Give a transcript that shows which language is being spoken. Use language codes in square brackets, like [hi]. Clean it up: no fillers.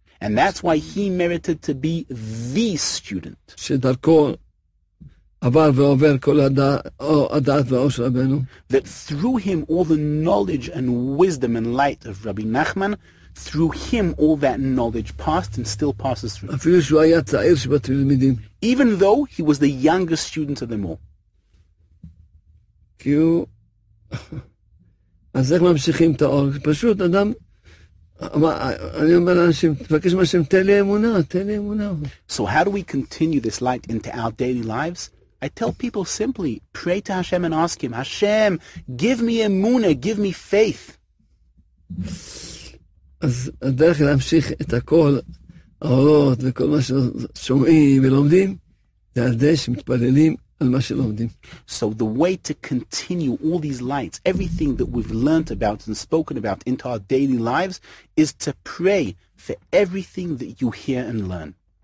[en] And that's why he merited to be the student. [he] שדרכו עבר ועובר כל הדעת והאור של רבנו. [en] That through him all the knowledge and wisdom and light of Rabbi Nachman, through him all that knowledge passed and still passes through. [he] אפילו שהוא היה צעיר שבתלמידים. [en] Even though he was the youngest student of them all. [he] כי הוא... אז איך ממשיכים את האור? פשוט אדם... אני אומר לאנשים, תבקש מהשם, תן לי אמונה, תן לי אמונה. [en] So how do we continue this light into our daily lives? I tell people simply, pray to Hashem and ask him, Hashem, give me emunah, give me faith. [he] אז הדרך להמשיך את הכל, האורות וכל מה ששומעים ולומדים, זה על זה שמתפללים על מה שלומדים. [en] So the way to continue all these lights, everything that we've learned about and spoken about into our daily lives, is to pray for everything that you hear and learn.